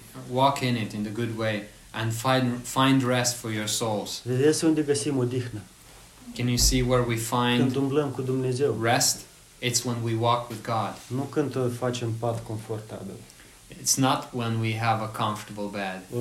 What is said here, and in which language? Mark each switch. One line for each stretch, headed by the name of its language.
English: Walk in it in the good way and find rest for your souls.
Romanian: Vedeți unde găsim odihnă?
English: Can you see where we find
Romanian: când umblăm cu Dumnezeu?
English: Rest? It's when we walk with God.
Romanian: Nu când facem pat confortabil.
English: It's not when we have a comfortable bed.